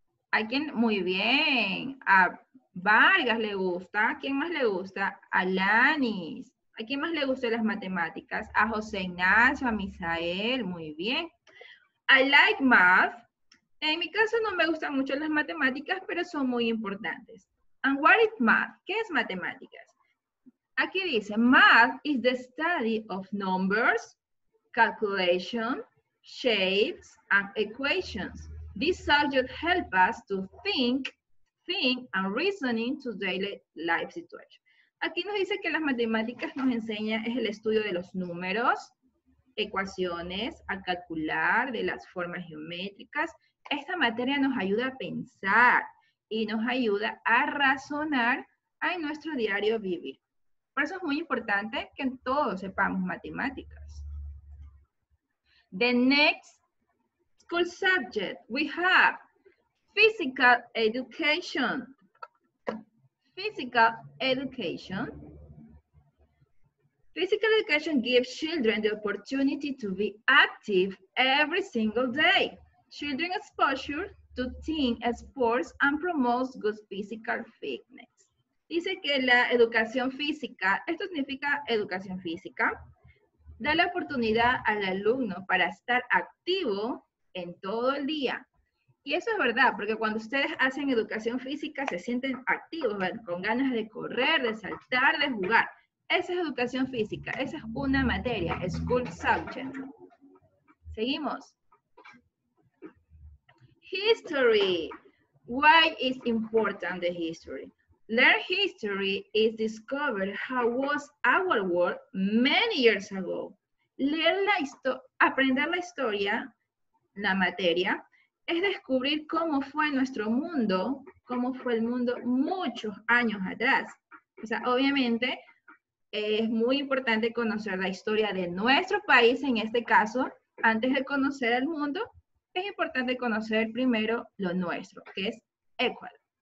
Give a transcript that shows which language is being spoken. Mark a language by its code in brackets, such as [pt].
[es] ¿A quién? Muy bien. A Vargas le gusta. ¿A quién más le gusta? A Lanis. ¿A quién más le gustan las matemáticas? A José Ignacio, a Misael. Muy bien. [en] I like math. [es] En mi caso no me gustan mucho las matemáticas, pero son muy importantes. [en] And what is math? [es] ¿Qué es matemáticas? Aquí dice, [en] math is the study of numbers, calculation, shapes, and equations. This subject helps us to think and reasoning to daily life situation. [es] Aquí nos dice que las matemáticas nos enseña es el estudio de los números, ecuaciones, a calcular, de las formas geométricas. Esta materia nos ayuda a pensar y nos ayuda a razonar en nuestro diario vivir. Por eso es muy importante que todos sepamos matemáticas. [en] The next school subject we have physical education. Physical education. Physical education gives children the opportunity to be active every single day. Children exposure to team sports and promotes good physical fitness. [es] Dice que la educación física, esto significa educación física, da la oportunidad al alumno para estar activo en todo el día. Y eso es verdad, porque cuando ustedes hacen educación física se sienten activos, ¿verdad? Con ganas de correr, de saltar, de jugar. Esa es educación física, esa es una materia, [en] school subject. [es] Seguimos. [en] History. Why is important the history? Learn history is discover how was our world many years ago. [es] Leer la historia, aprender la historia, la materia, es descubrir cómo fue nuestro mundo, cómo fue el mundo muchos años atrás. O sea, obviamente, es muy importante conocer la historia de nuestro país, en este caso, antes de conocer el mundo, es importante conocer primero lo nuestro, que es Ecuador.